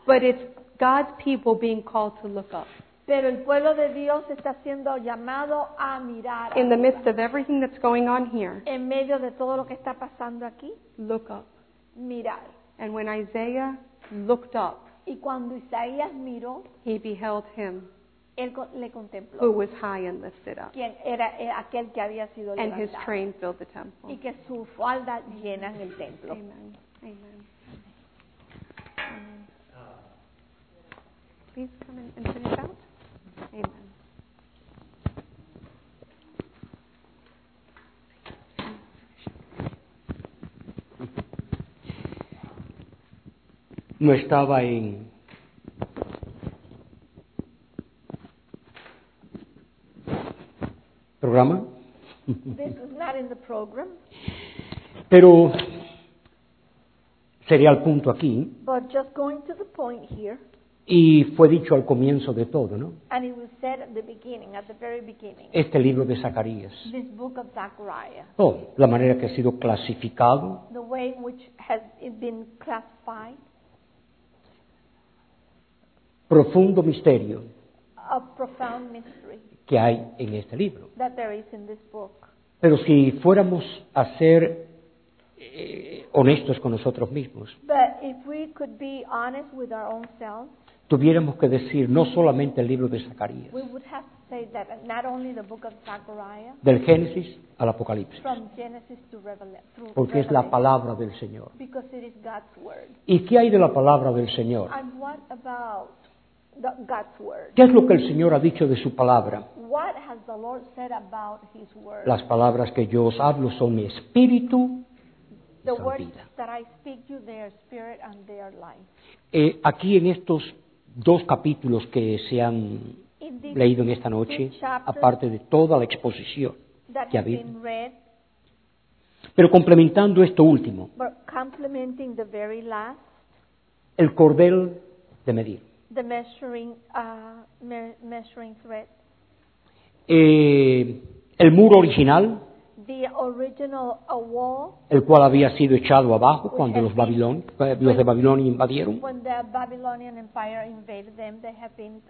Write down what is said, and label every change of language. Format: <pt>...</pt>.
<en>But it's God's people being called to look up.</en> <es>Pero el pueblo de Dios está siendo llamado a mirar.</es> <en>In the midst of everything that's going on here.</en> <es>En medio de todo lo que está pasando aquí.</es> <en>Look up.</en> <es>Mirar.</es> <en>And when Isaiah looked up,</en> <es>y cuando Isaías miró,</es> <en>he beheld him.</en> <es>Él le contempló.</es> <en>Who was high and lifted up.</en> <es>Quien era aquel que había sido</es> <en>and</en> <es>levantado.</es> <en>His train filled the temple.</en> <es>Y que su falda llena el templo.</es> <en>Amen. Amen. Amen. Please come in and finish out. Amen.</en> <es>No estaba en programa.</es> <en>This is not in the program.</en> <es>Pero sería el punto aquí.</es> <en>But just going to the point here.</en> <es>Y fue dicho al comienzo de todo, ¿no?</es> <en>And it was said at the beginning, at the very beginning.</en> <es>Este libro de Zacarías.</es> <en>This book of Zechariah.</en> <es>Oh, la manera que ha sido clasificado.</es> <en>The way in which has it been classified.</en> <es>Profundo misterio</es> <en>a profound mystery</en> <es>que hay en este libro.</es> <en>That there is in this book.</en> <es>Pero si fuéramos a ser honestos con nosotros mismos,</es> <en>but if we could be honest with our own selves,</en> <es>tuviéramos que decir no solamente el libro de Zacarías,</es> <en>we would have to say that not only the book of Zechariah,</en> <es>del Génesis al Apocalipsis,</es> <en>from Genesis to Revelation,</en> <es>porque es la palabra del Señor.</es> <en>Because it is God's word.</en> <es>¿Y qué hay de la palabra del Señor?</es> <en>And what about God's word.</en> <es>¿Qué es lo que el Señor ha dicho de su palabra?</es> <en>What has the Lord said about his word?</en> <es>Las palabras que yo os hablo son mi espíritu y son</es> <en>The words that I speak you, they are spirit and they are life.</en> <es>Aquí en estos dos capítulos que se han leído en esta noche, aparte de toda la exposición que ha habido, pero complementando esto último,</es> <en>but complementing the very last,</en> <es>el cordel de medir.</es> <en>The measuring measuring thread.</en> <es>El muro original.</es> <en>The original wall.</en> <es>El cual había sido echado abajo cuando los de Babilonia invadieron.</es> <en>When the Babylonian Empire invaded them, they had been.</en>